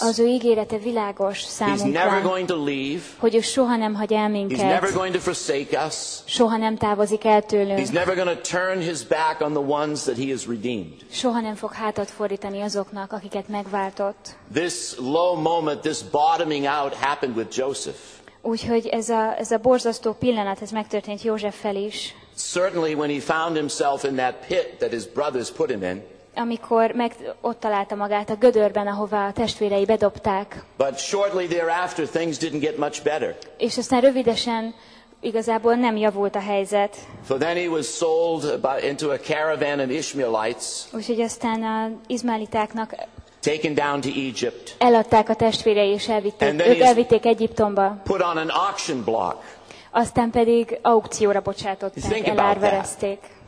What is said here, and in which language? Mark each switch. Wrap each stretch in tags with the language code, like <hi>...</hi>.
<hu>Az ő ígérete világos számunkra.</hu> <en>He's never going to leave.</en> <hu>Hogy ő soha nem hagy el minket.</hu> <en>He's never going to forsake us.</en> <hu>Soha nem távozik el tőlünk.</hu> <en>He's never going to turn his back on the ones that he has redeemed.</en> <hu>Soha nem fog hátat fordítani azoknak, akiket megváltott.</hu> <en>This low moment, this bottoming out happened with Joseph.</en> <hu>Úgyhogy ez a borzasztó pillanat, ez megtörtént Józseffel is.</hu> <en>Certainly when he found himself in that pit that his brothers put him in.</en> <hu>Amikor ott találta magát a gödörben, ahová a testvérei bedobták.</hu> <en>But shortly thereafter things didn't get much better.</en> <hu>És aztán rövidesen igazából nem javult a helyzet.</hu> <en>So then he was sold into a caravan of Ishmaelites.</en> <hu>Úgyhogy aztán az izmaelitáknak</hu> <en>taken down to Egypt.</en> <hu>Eladták a testvérei és elvitték Egyiptomba.</hu> <en>Put on an auction block.</en> <hu>Aztán pedig aukcióra bocsátották, elárverezték.</hu>